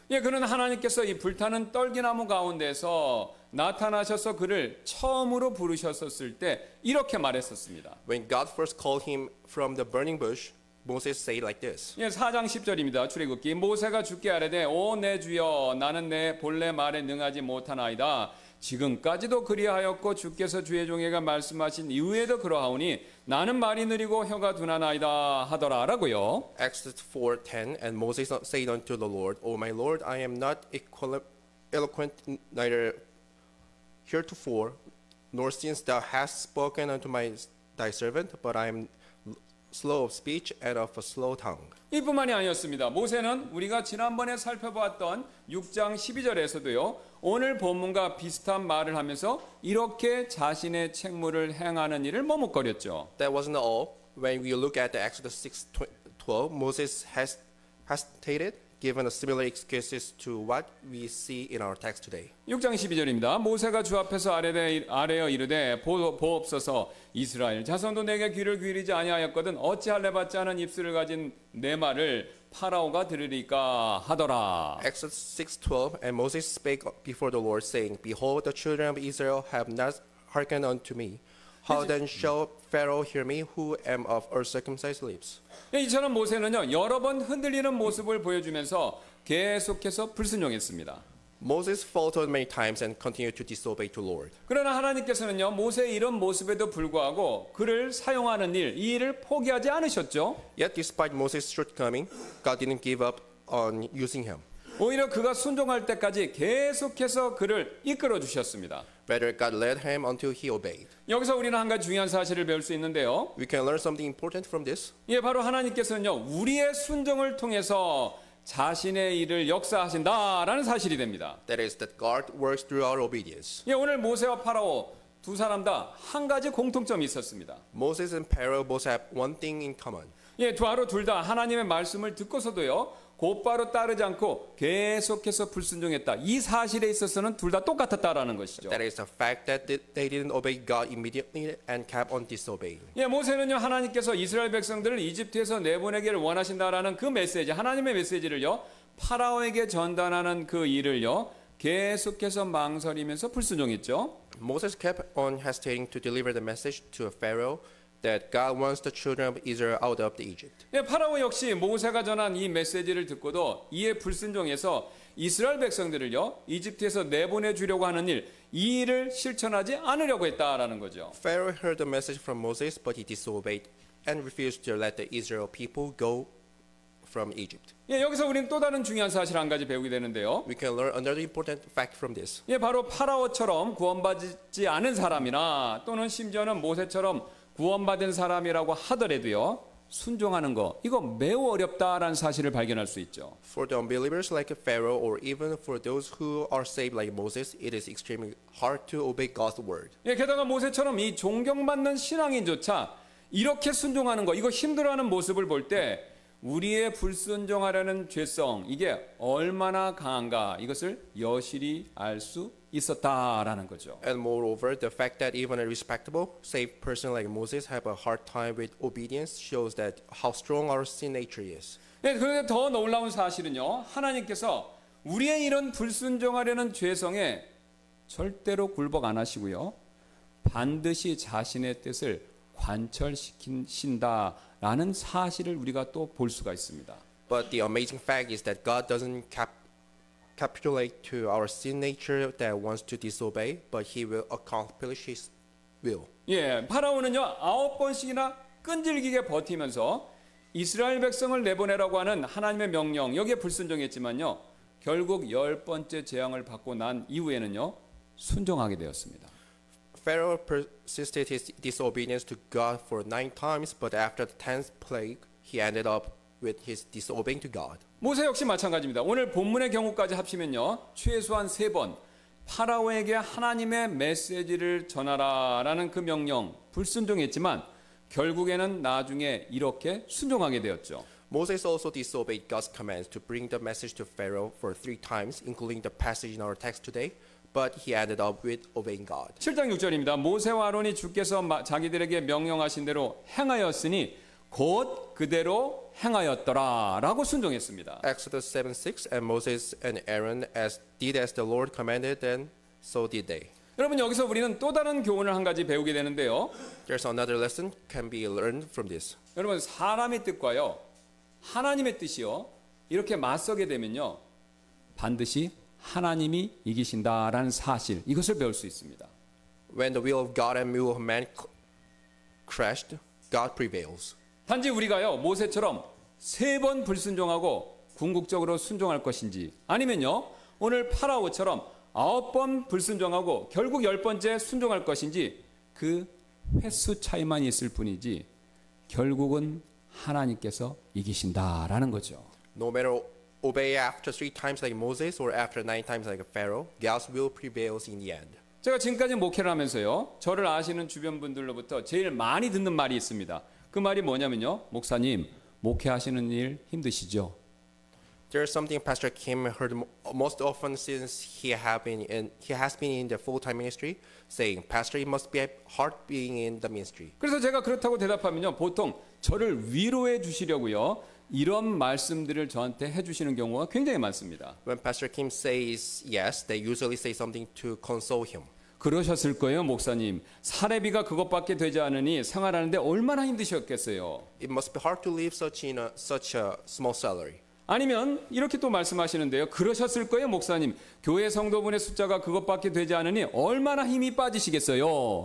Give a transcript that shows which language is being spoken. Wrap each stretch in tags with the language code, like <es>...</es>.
<ko>예, 그는 하나님께서 이 불타는 떨기나무 가운데서 나타나셔서 그를 처음으로 부르셨었을 때 이렇게 말했었습니다.</ko> <en>When God first called him from the burning bush, Moses said like this.</en> <ko>예, 4장 10절입니다. 출애굽기. 모세가 주께 아뢰되 오 내 주여, 나는 내 본래 말에 능하지 못하나이다. 지금까지도 그리하였고 주께서 주의 종에게 말씀하신 이후에도 그러하오니 나는 말이 느리고 혀가 둔하나이다 하더라라고요.</ko> <en>Exodus 4:10 And Moses said unto the Lord, O my Lord, I am not eloquent neither heretofore nor since thou hast spoken unto thy servant, but I am slow of speech and of a slow tongue.</en> <ko>이뿐만이 아니었습니다. 모세는 우리가 지난번에 살펴보았던 6장 12절에서도요, 오늘 본문과 비슷한 말을 하면서 이렇게 자신의 책무를 행하는 일을 머뭇거렸죠.</ko> <en>That wasn't all. When we look at the Exodus 6:12, Moses hesitated given a similar excuses to what we see in our text today.</en> <ko>6장 12절입니다. 모세가 주 앞에서 아뢰어 이르되 보옵소서 이스라엘 자손도 내게 귀를 기울이지 아니하였거든 어찌할래 받지 않은 입술을 가진 내 말을 파라오가 들으리까 하더라.</ko> <en>Exodus 6:12 And Moses spake before the Lord saying, Behold, the children of Israel have not hearkened unto me. How then shall Pharaoh hear me, who am of uncircumcised lips?</en> <ko>이처럼 모세는요 여러 번 흔들리는 모습을 보여주면서 계속해서 불순종했습니다.</ko> <en>Moses faltered many times and continued to disobey the Lord.</en> <ko>그러나 하나님께서는요 모세의 이런 모습에도 불구하고 그를 사용하는 일, 이 일을 포기하지 않으셨죠.</ko> <en>Yet despite Moses' shortcoming, God didn't give up on using him.</en> <ko>오히려 그가 순종할 때까지 계속해서 그를 이끌어 주셨습니다.</ko> <en>Better God led him until he obeyed.</en> <ko>여기서 우리는 한 가지 중요한 사실을 배울 수 있는데요.</ko> <en>We can learn something important from this.</en> <ko>예, 바로 하나님께서는요 우리의 순종을 통해서 자신의 일을 역사하신다라는 사실이 됩니다.</ko> <en>That is that God works through our obedience.</en> <ko>예, 오늘 모세와 파라오 두 사람 다 한 가지 공통점이 있었습니다.</ko> <en>Moses and Pharaoh both have one thing in common.</en> <ko>예, 바로 둘 다 하나님의 말씀을 듣고서도요. 곧바로 따르지 않고 계속해서 불순종했다. 이 사실에 있어서는 둘 다 똑같았다라는 것이죠.</ko> <en>That is the fact that they didn't obey God immediately and kept on disobeying.</en> <ko>예, 모세는요 하나님께서 이스라엘 백성들을 이집트에서 내보내기를 원하신다라는 그 메시지, 하나님의 메시지를요 파라오에게 전달하는 그 일을요 계속해서 망설이면서 불순종했죠.</ko> <en>Moses kept on hesitating to deliver the message to Pharaoh. That God wants the children of Israel out of the Egypt.</en> <ko>예, 파라오 역시 모세가 전한 이 메시지를 듣고도 이에 불순종해서 이스라엘 백성들을요 이집트에서 내보내 주려고 하는 일, 이 일을 실천하지 않으려고 했다라는 거죠.</ko> <en>Pharaoh heard the message from Moses, but he disobeyed and refused to let the Israel people go from Egypt.</en> <ko>예, 여기서 우리는 또 다른 중요한 사실 한 가지 배우게 되는데요.</ko> <en>We can learn another important fact from this.</en> <ko>예, 바로 파라오처럼 구원받지 않은 사람이나 또는 심지어는 모세처럼 구원받은 사람이라고 하더라도요 순종하는 거 이거 매우 어렵다라는 사실을 발견할 수 있죠.</ko> <en>For the unbelievers like Pharaoh or even for those who are saved like Moses, it is extremely hard to obey God's word.</en> <ko>예, 게다가 모세처럼 이 존경받는 신앙인조차 이렇게 순종하는 거 이거 힘들어하는 모습을 볼 때 우리의 불순종하려는 죄성 이게 얼마나 강한가 이것을 여실히 알 수 있었다라는 거죠.</ko> <en>And moreover, the fact that even a respectable, saved person like Moses have a hard time with obedience shows that how strong our sin nature is.</en> <ko>네, 그런데 더 놀라운 사실은요, 하나님께서 우리의 이런 불순종하려는 죄성에 절대로 굴복 안 하시고요, 반드시 자신의 뜻을 관철시키신다라는 사실을 우리가 또 볼 수가 있습니다.</ko> <en>But the amazing fact is that God doesn't capitulate to our sin nature that wants to disobey, but He will accomplish His will.</en> <ko>예, 파라오는요 아홉 번씩이나 끈질기게 버티면서 이스라엘 백성을 내보내라고 하는 하나님의 명령 여기에 불순종했지만요 결국 열 번째 재앙을 받고 난 이후에는요 순종하게 되었습니다.</ko> <en>Pharaoh persisted his disobedience to God for 9 times, but after the 10th plague, he ended up with his disobeying to God.</en> <ko>모세 역시 마찬가지입니다. 오늘 본문의 경우까지 합치면요, 최소한 세 번 파라오에게 하나님의 메시지를 전하라라는 그 명령 불순종했지만 결국에는 나중에 이렇게 순종하게 되었죠.</ko> <en>Moses also disobeyed God's commands to bring the message to Pharaoh for 3 times, including the passage in our text today. But he ended up with obeying God.</en> <ko>7장 6절입니다. 모세와 아론이 주께서 자기들에게 명령하신 대로 행하였으니 곧 그대로 행하였더라라고 순종했습니다.</ko> <en>Exodus 7:6 And Moses and Aaron did as the Lord commanded, and so did they.</en> <ko>여러분 여기서 우리는 또 다른 교훈을 한 가지 배우게 되는데요.</ko> <en>There's another lesson can be learned from this.</en> <ko>여러분 사람의 뜻과요 하나님의 뜻이요 이렇게 맞서게 되면요 반드시 하나님이 이기신다라는 사실 이것을 배울 수 있습니다.</ko> <en>When the will of God and will of man crashed, God prevails.</en> <ko>단지 우리가요 모세처럼 세 번 불순종하고 궁극적으로 순종할 것인지 아니면요 오늘 파라오처럼 아홉 번 불순종하고 결국 열 번째 순종할 것인지 그 횟수 차이만 있을 뿐이지 결국은 하나님께서 이기신다라는 거죠.</ko> <en>No matter obey after 3 times like Moses or after 9 times like a Pharaoh, God's will prevails in the end.</en> <ko>제가 지금까지 목회를 하면서요, 저를 아시는 주변 분들로부터 제일 많이 듣는 말이 있습니다. 그 말이 뭐냐면요, 목사님, 목회하시는 일 힘드시죠?</ko> <en>There's something Pastor Kim heard most often since he has been in the full-time ministry, saying, "Pastor, it must be hard being in the ministry."</en> <ko>그래서 제가 그렇다고 대답하면요, 보통 저를 위로해 주시려고요 이런 말씀들을 저한테 해주시는 경우가 굉장히 많습니다.</ko> <en>When Pastor Kim says yes, they usually say something to console him.</en> <ko>그러셨을 거예요, 목사님. 사례비가 그것밖에 되지 않으니 생활하는데 얼마나 힘드셨겠어요.</ko> <en>It must be hard to live such a small salary.</en> <ko>아니면 이렇게 또 말씀하시는데요. 그러셨을 거예요, 목사님. 교회 성도분의 숫자가 그것밖에 되지 않으니 얼마나 힘이 빠지시겠어요?</ko>